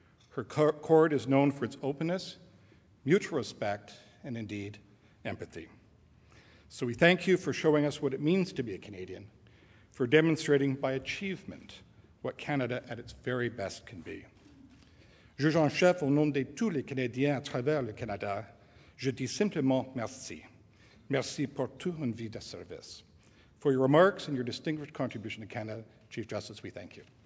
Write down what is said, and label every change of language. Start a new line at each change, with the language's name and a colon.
English: Her court is known for its openness, mutual respect, and indeed, empathy. So we thank you for showing us what it means to be a Canadian, for demonstrating by achievement what Canada at its very best can be.
French: Juge en chef, au nom de tous les Canadiens à travers le Canada, je dis simplement merci. Merci pour toute une vie de service.
English: For your remarks and your distinguished contribution to Canada, Chief Justice, we thank you.